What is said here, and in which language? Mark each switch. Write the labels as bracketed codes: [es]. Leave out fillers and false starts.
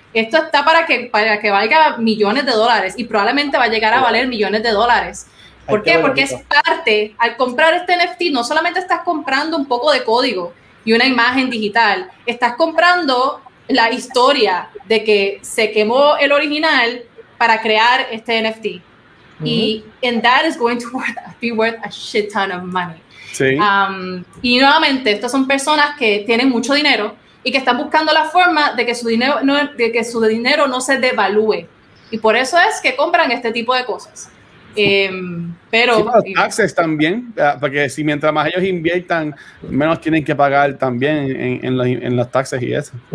[es] Esto está para que valga millones de dólares y probablemente va a llegar a valer millones de dólares. ¿Por qué? Porque es parte, al comprar este NFT, no solamente estás comprando un poco de código y una imagen digital, estás comprando la historia de que se quemó el original para crear este NFT. Uh-huh. [en] Y and that is going to be worth a shit ton of money. [es] Sí. Y nuevamente, estas son personas que tienen mucho dinero y que están buscando la forma de que su dinero no se devalúe. Y por eso es que compran este tipo de cosas. Los taxes también, porque si mientras más ellos inviertan, menos tienen que pagar también en los taxes y eso.